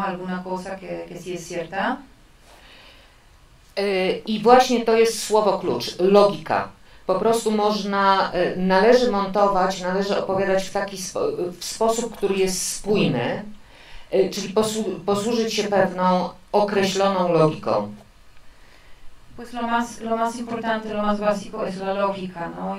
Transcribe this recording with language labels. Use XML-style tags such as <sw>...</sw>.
<es>Alguna cosa que sí es cierta.</es> <pl>I właśnie to jest słowo klucz, logika. Po prostu można, należy montować, należy opowiadać w taki w sposób, który jest spójny, czyli posłużyć się pewną określoną logiką.</pl> <es>Pues lo más importante, lo más básico es la logika, no?</es>